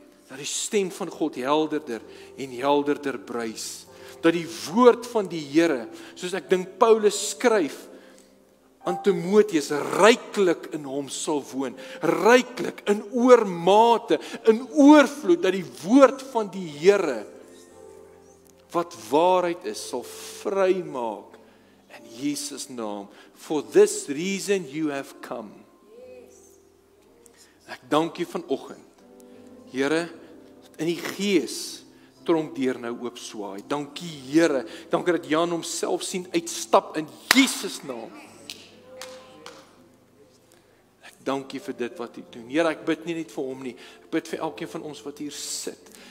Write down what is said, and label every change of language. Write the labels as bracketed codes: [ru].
[af] dat die stem van God helderder en helderder bruis, dat die woord van die Here, soos ek dink Paulus skryf aan Timoteus, ryklik in hom sal woon, ryklik in oormate, in oorvloed, dat die woord van die Here wat waarheid is, sal vrymaak In Jesus' naam. [en] For this reason you have come. [af] Ek dank u vanochtend. Here, in die gees, tronk deur nou oop swaai. Dank u, Here. Dank u dat Jan homself sien uitstap in Jesus' naam. Ek dank u vir dit wat u doen. Here, ek bid nie net vir hom nie. Ek bid vir elkeen van ons wat hier sit.